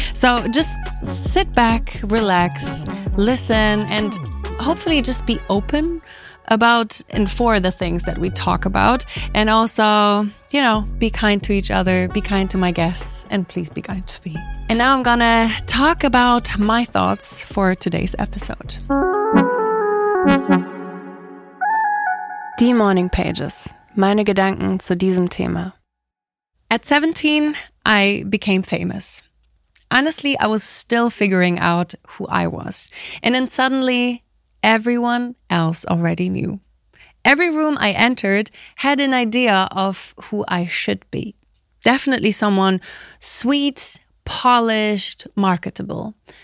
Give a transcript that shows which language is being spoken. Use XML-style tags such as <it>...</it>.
<en>So just sit back, relax, listen, and hopefully just be open about and for the things that we talk about. And also, you know, be kind to each other, be kind to my guests, and please be kind to me. And now I'm gonna talk about my thoughts for today's episode.</en> <de>Die Morning Pages, meine Gedanken zu diesem Thema.</de> <en>At 17, I became famous. Honestly, I was still figuring out who I was. And then suddenly, everyone else already knew. Every room I entered had an idea of who I should be. Definitely someone sweet, polished, marketable.</en>